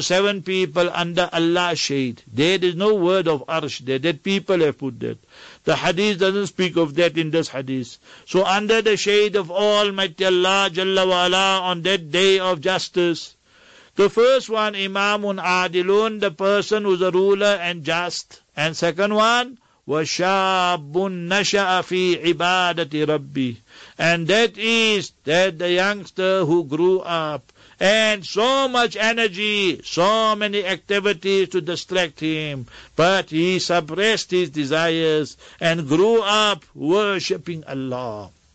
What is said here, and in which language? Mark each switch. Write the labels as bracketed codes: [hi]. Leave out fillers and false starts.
[en] Seven people under Allah's shade. There is no word of arsh there. That people have put that. The hadith doesn't speak of that in this hadith. So under the shade of Almighty Allah Jalla wa Ala on that day of justice. The first one, Imamun Adilun, the person who's a ruler and just. And second one, [ar] وَشَابٌ نَشَأَ فِي عِبَادَةِ رَبِّي. [en] And that is that the youngster who grew up and so much energy, so many activities to distract him, but he suppressed his desires and grew up worshipping Allah.